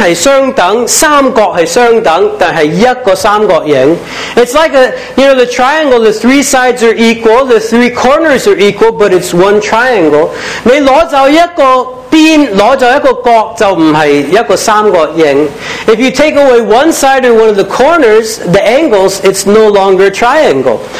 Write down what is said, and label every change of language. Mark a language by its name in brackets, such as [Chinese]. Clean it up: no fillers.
[Chinese] 你是一个三角形,三边是相等,三角是相等, 但是一个三角形。 [English] It's like a, you know, the triangle, the three sides are equal, the three corners are equal, but it's one triangle. [Chinese] 你拿走一个, 边拿走一个角就不是一个三角形。 [English] If you take away one side or one of the corners, the angles, it's no longer a triangle.